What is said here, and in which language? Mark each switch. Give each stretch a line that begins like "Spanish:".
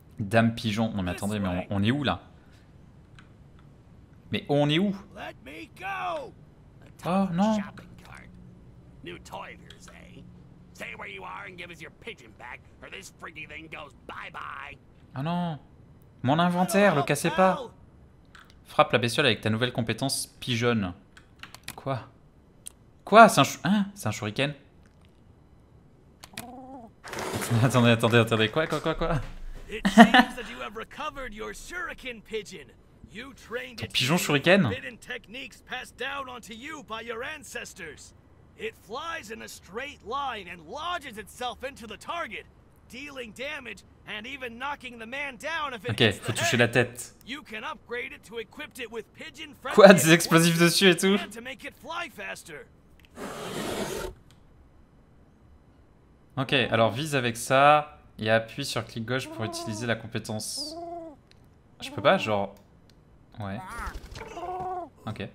French: Dame pigeon. Non, mais attendez, mais on est où là? Mais on est où?
English: Let me go.
French: Oh non.
English: New toilers, eh? Stay where you are and give us your pigeon back, or this freaky thing goes bye-bye.
French: Ah non. Mon inventaire, le cassez pas. Frappe la bestiole avec ta nouvelle compétence pigeon. Quoi? Quoi? C'est un shuriken? Attendez, quoi?
English: It seems that you have recovered your shuriken pigeon. You trained
French: ton pigeon shuriken?
English: Forbidden techniques passed down onto you by your ancestors. It flies in a straight line and lodges itself into the target, dealing damage and even knocking the man down if it hits the head.
French: La tête.
English: You can upgrade it to equip it with pigeon friendly.
French: Quoi, des explosifs dessus et tout?
English: To make it fly faster.
French: Ok, alors vise avec ça et appuie sur clic gauche pour utiliser la compétence. Je peux pas, genre. Ouais. Ok.